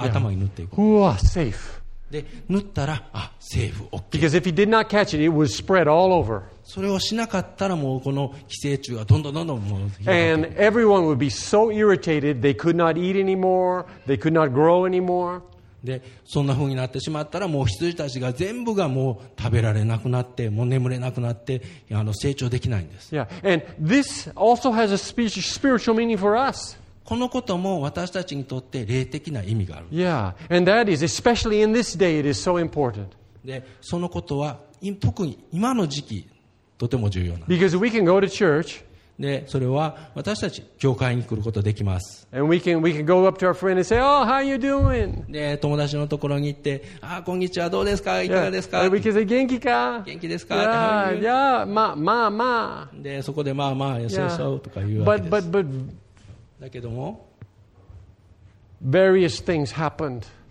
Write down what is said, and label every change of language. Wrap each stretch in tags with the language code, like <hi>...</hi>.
<ja>頭に塗っていく。</ja> <en>Yeah. Safe.</en> <ja>で塗ったらあセーフ。OK。</ja> <en>Because if he did not catch it, it would spread all over.</en> <ja>それをしなかったらもうこの寄生虫がどんどんもう。</ja> <en>And everyone would be so irritated they could not eat anymore. They could not grow anymore.</en> <ja>でそんな風になってしまったらもう羊たちが全部がもう食べられなくなってもう眠れなくなって成長できないんです。</ja> <en>Yeah. And this also has a spiritual meaning for us.</en> <ja>このことも私たちにとって霊的な意味があるんです。</ja> <en>Yeah. And that is especially in this day it is so important.</en> <ja>でそのことは特に今の時期とても重要なんです。</ja> <en>Because we can go to church.</en> <ja>でそれは私たち教会に来ることができます。</ja> <en>we can go up to our friend and say, oh, how you doing?</en> <ja>で友達のところに行って、あこんにちはどうですか、いかがですか、</ja> <en>yeah. we can say,</en> <ja>元気か、元気ですか、</ja> <en>yeah. yeah. まあ</en> <ja>でそこでまあまあ、yeah. そうそうとか言うわけです。but だけども</ja> <en>various things happened、</en>